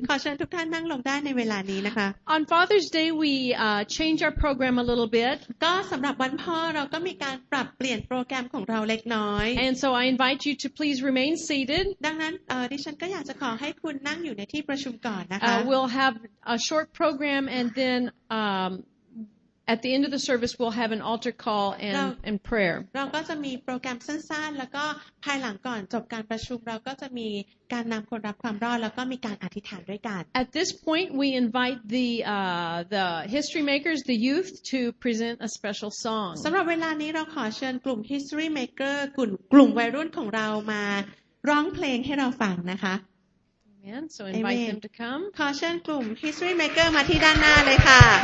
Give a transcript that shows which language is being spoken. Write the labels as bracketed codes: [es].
[th] ขอเชิญทุกท่านนั่งลงได้ในเวลานี้นะคะ [en] On Father's Day, we change our program a little bit. [th] ก็สำหรับวันพ่อเราก็มีการปรับเปลี่ยนโปรแกรมของเราเล็กน้อย [en] And so I invite you to please remain seated. [th] ดังนั้นดิฉันก็อยากจะขอให้คุณนั่งอยู่ในที่ประชุมก่อนนะคะ [en] We'll have a short program and then at the end of the service, we'll have an altar call and prayer. [th] เราก็จะมีโปรแกรมสั้นๆแล้วก็ภายหลังก่อนจบการประชุมเราก็จะมีการนำคนรับความรอดแล้วก็มีการอธิษฐานด้วยกัน [en] At this point, we invite the history makers, the youth, to present a special song. [th] สำหรับเวลานี้เราขอเชิญกลุ่ม history maker กลุ่มวัยรุ่นของเรามาร้องเพลงให้เราฟังนะคะ [en] Amen. So invite them to come. [th] ขอเชิญกลุ่ม history maker มาที่ด้านหน้าเลยค่ะ